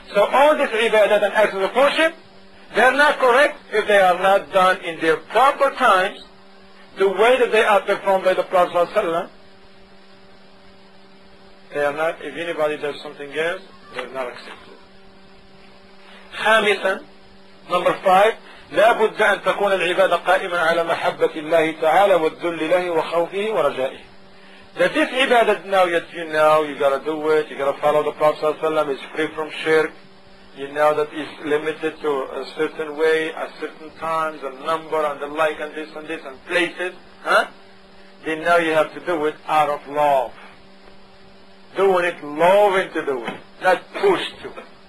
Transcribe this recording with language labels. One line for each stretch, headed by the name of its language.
English: So all this ibadat and acts of worship, they're not correct if they are not done in their proper times, the way that they are performed by the Prophet sallallahu alayhi wa sallam. They are not, if anybody does something else, they're not accepted.
Arabic: خَامِسًا,
English: number five,
Arabic: لابد أن تكون العبادة قائمة على محبة الله تعالى والذل له وخوفه ورجائه.
English: That this ibadah now that you know you gotta do it, you gotta follow the Prophet صلى الله عليه وسلم, it's free from shirk. You know that it's limited to a certain way, a certain times, a number, and the like, and this and this and places. Then now you have to do it out of love. Doing it, loving to do it, not pushed to it.